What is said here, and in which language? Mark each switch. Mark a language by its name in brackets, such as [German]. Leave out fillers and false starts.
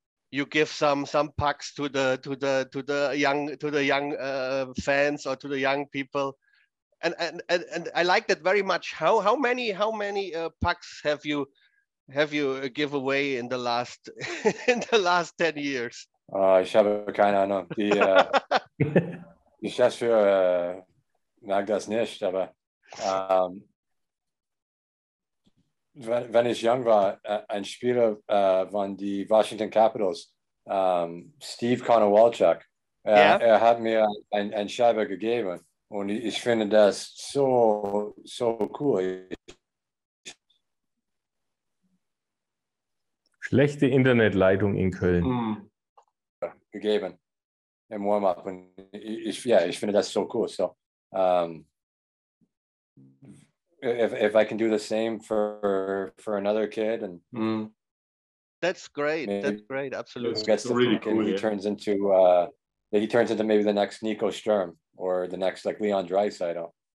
[English] You give some pucks to the young fans or to the young people, and I like that very much. How many pucks have you give away in the last 10 years? [German] Ich habe keine Ahnung. ich das für mag das nicht, aber wenn ich jung war, ein Spieler von die Washington Capitals. Steve Konowalczyk, er hat mir ein Scheibe gegeben und ich finde das so cool. Schlechte Internetleitung in Köln. Gegeben im Warm-up und ich finde das so cool. [English] So, if I can do the same for another kid and. Mm. That's great. Maybe. That's great. Absolutely. That's really cool. He turns into he turns into maybe the next Nico Sturm or the next like Leon Draisaitl.